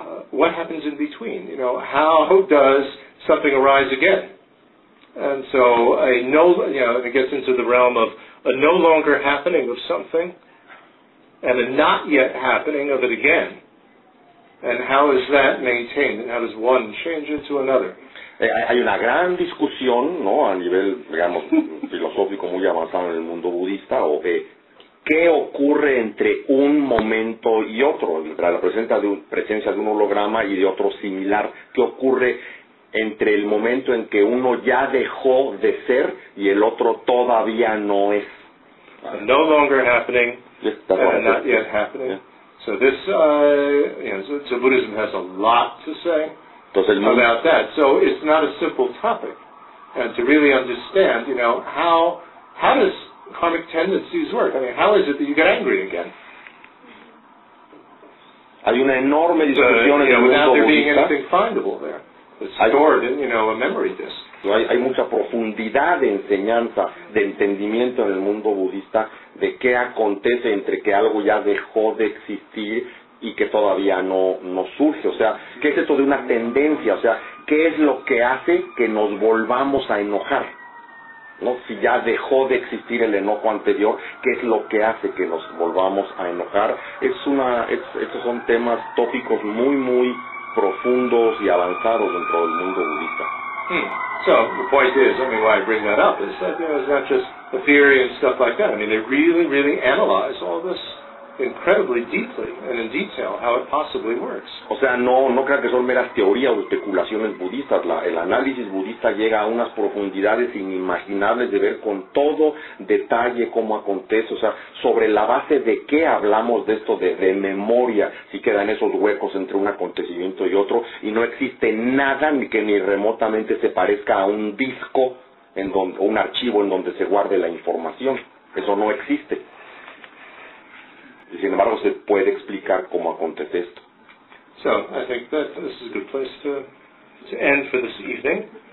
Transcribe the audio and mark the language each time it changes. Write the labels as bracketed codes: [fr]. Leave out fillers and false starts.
[en] What happens in between? You know, how does something arise again? And so, it gets into the realm of a no longer happening of something and a not yet happening of it again. And how is that maintained? And how does one change into another? [es] Hay una gran discusión, ¿no?, a nivel, digamos, filosófico muy avanzado en el mundo budista, o de ¿qué ocurre entre un momento y otro? Entre la presencia de un holograma y de otro similar. ¿Qué ocurre entre el momento en que uno ya dejó de ser y el otro todavía no es? [en] No longer happening and not yet happening. Yeah. So this, so Buddhism has a lot to say about that. So it's not a simple topic. And to really understand, you know, how does karmic tendencies work. I mean, how is it that you get angry again? [es] Hay una enorme discusión en el mundo budista. [en] there being anything findable there. It's stored in, a memory disk. [es] Hay mucha profundidad de enseñanza, de entendimiento en el mundo budista de qué acontece entre que algo ya dejó de existir y que todavía no surge. O sea, ¿qué es esto de una tendencia? O sea, ¿qué es lo que hace que nos volvamos a enojar? ¿No? Si ya dejó de existir el enojo anterior, ¿qué es lo que hace que nos volvamos a enojar? Estos son temas tópicos muy, muy profundos y avanzados dentro del mundo budista. [en] So, the point is, I mean, why I bring that up is that it's not just a theory and stuff like that. I mean, they really, really analyze all this incredibly deeply and in detail how it possibly works. [es] O sea, no creo que son meras teorías o especulaciones budistas. El análisis budista llega a unas profundidades inimaginables de ver con todo detalle cómo acontece. O sea, sobre la base de qué hablamos de esto de memoria, si quedan esos huecos entre un acontecimiento y otro, y no existe nada ni que ni remotamente se parezca a un disco en donde, o un archivo en donde se guarde la información. Eso no existe. Sin embargo, se puede explicar cómo acontece esto. [en] So, I think that this is a good place to end for this evening.